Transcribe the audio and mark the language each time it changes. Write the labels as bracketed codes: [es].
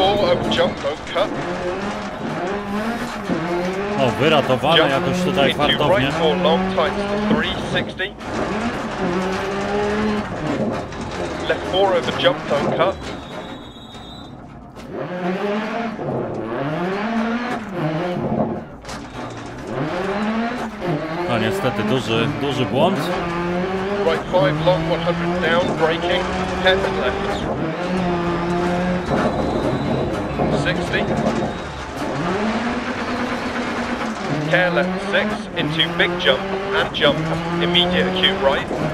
[en] 6 continues for 100, keep left over crest, right 6 don't cut, into left 5 continues for 150, into turn hairpin right 80, right 5 continues for 130 over bumps, caution left 6 half long small jump, into right 6 long, into left 3 don't cut continues for 130, right 3 60, right 4 jump, right 3 tight, left 4 over jump don't cut. [pl] No, wyratowane jakoś tutaj fartownie. [en] Right 4 long tight to 360. Left 4 over jump, don't cut. [pl] No niestety duży, duży błąd. [en] Right 5 long, 100 down, braking, hand and left. 60. Care left 6, into big jump, and jump, immediate acute right.